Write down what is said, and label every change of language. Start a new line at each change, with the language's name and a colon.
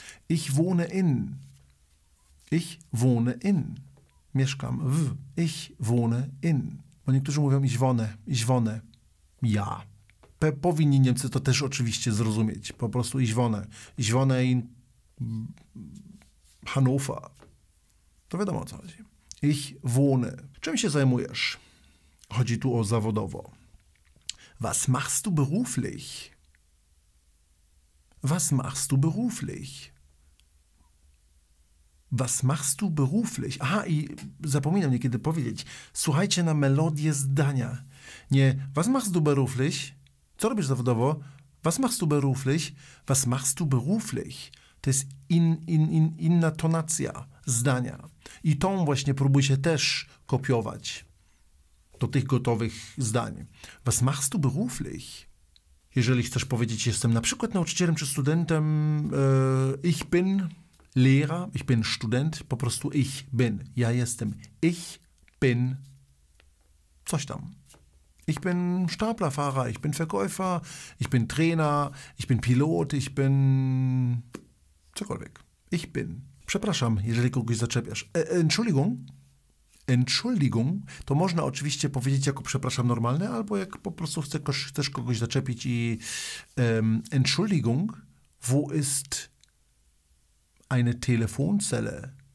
German: Ich wohne in, ich wohne in.
Polish: Mieszkam w,
German: ich wohne in.
Polish: Bo niektórzy mówią
German: ich wohne, ich wohne.
Polish: Ja. Powinni Niemcy to też oczywiście zrozumieć. Po prostu ich wohne.
German: Ich wohne in Hannover.
Polish: To wiadomo, o co chodzi.
German: Ich wohne.
Polish: Czym się zajmujesz? Chodzi tu o zawodowo.
German: Was machst du beruflich? Was machst du beruflich? Was machst du beruflich?
Polish: Aha, i zapominam niekiedy powiedzieć. Słuchajcie na melodię zdania.
German: Nie, was machst du beruflich?
Polish: Co robisz zawodowo?
German: Was machst du beruflich? Was machst du beruflich?
Polish: To jest inna tonacja zdania. I tą właśnie próbuj się też kopiować do tych gotowych zdań.
German: Was machst du beruflich?
Polish: Jeżeli chcesz powiedzieć, jestem na przykład nauczycielem czy studentem,
German: ich bin Lehrer, ich bin Student,
Polish: po prostu
German: ich bin.
Polish: Ja jestem.
German: Ich bin
Polish: coś tam.
German: Ich bin Staplerfahrer, ich bin Verkäufer, ich bin Trainer, ich bin Pilot, ich bin cokolwiek. Ich bin.
Polish: Przepraszam, jeżeli kogoś zaczepiasz.
German: Entschuldigung. Entschuldigung.
Polish: To można oczywiście powiedzieć jako przepraszam normalne, albo jak po prostu chcesz kogoś zaczepić i
German: Entschuldigung, wo ist eine Telefonzelle?